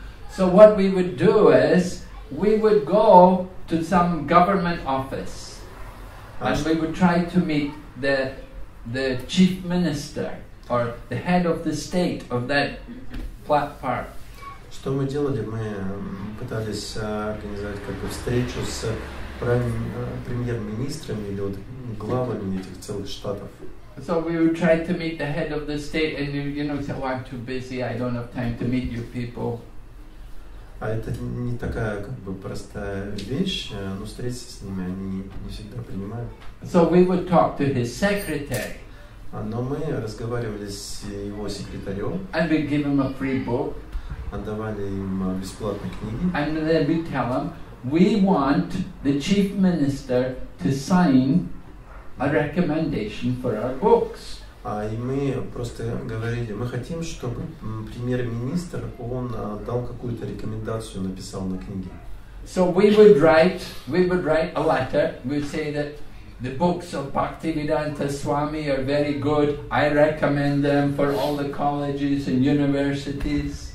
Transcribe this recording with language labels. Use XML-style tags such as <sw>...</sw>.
<en>So what we would do is, we would go to some government office and we would try to meet the chief minister or the head of the state of that part.</en> <ru>Что мы делали? Мы пытались организовать как бы встречу с премьер-министрами или вот главами этих целых штатов.</ru> <en>So we would try to meet the head of the state and you know, say, oh, I'm too busy, I don't have time to meet you people.</en> <ru>А это не такая как бы простая вещь, но встретиться с ними они не всегда принимают.</ru> <en>So we would talk to his secretary.</en> <ru>Но мы разговаривали с его секретарем.</ru> <en>And we give him a free book.</en> <ru>Отдавали им бесплатные книги.</ru> <en>And then we tell him, we want the chief minister to sign a recommendation for our books.</en> <ru>А и мы просто говорили, мы хотим, чтобы премьер-министр он дал какую-то рекомендацию, написал на книге.</ru> <en>So we would write a letter. We would say that the books of Bhakti Vedanta Swami are very good. I recommend them for all the colleges and universities.</en>